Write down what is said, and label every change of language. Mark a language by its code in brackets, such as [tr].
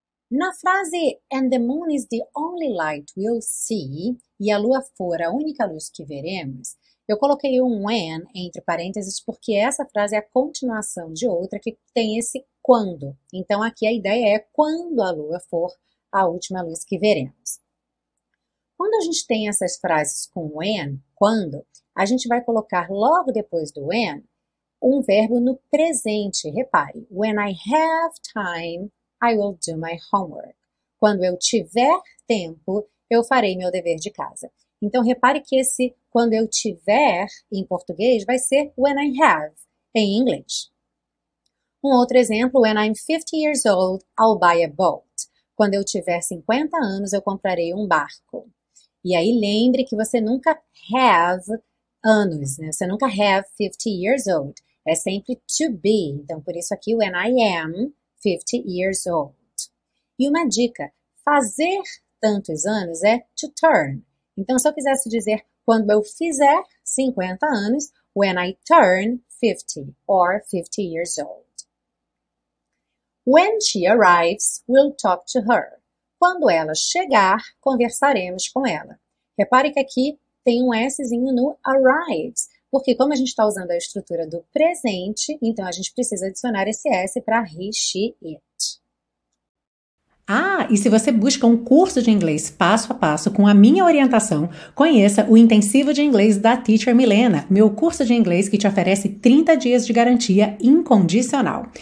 [pt] Na frase [en] "And the moon is the only light we'll see", [pt] e a lua for a única luz que veremos, eu coloquei um "and" entre parênteses porque essa frase é a continuação de outra que tem esse "quando". Então aqui a ideia é quando a lua for a última luz que veremos. Quando a gente tem essas frases com "when", quando, a gente vai colocar logo depois do "when" um verbo no presente. Repare, [en] "When I have time, I will do my homework". [pt] Quando eu tiver tempo, eu farei meu dever de casa. Então repare que esse "quando eu tiver" em português vai ser [en] "when I have" [pt] em inglês. Um outro exemplo: [en] "When I'm 50 years old, I'll buy a boat". [pt] Quando eu tiver 50 anos, eu comprarei um barco. E aí lembre que você nunca have anos, né? Você nunca have 50 years old. É sempre to be. Então por isso aqui [en] "when I am 50 years old". [pt] E uma dica: fazer tantos anos é to turn. Então, se eu quisesse dizer "quando eu fizer 50 anos", [en] "when I turn 50 or 50 years old". "When she arrives, we'll talk to her". [pt] Quando ela chegar, conversaremos com ela. Repare que aqui tem um Szinho no arrives, porque como a gente está usando a estrutura do presente, então a gente precisa adicionar esse S para he, she, it. Ah, e se você busca um curso de inglês passo a passo com a minha orientação, conheça o Intensivo de Inglês da Teacher Milena, meu curso de inglês que te oferece 30 dias de garantia incondicional.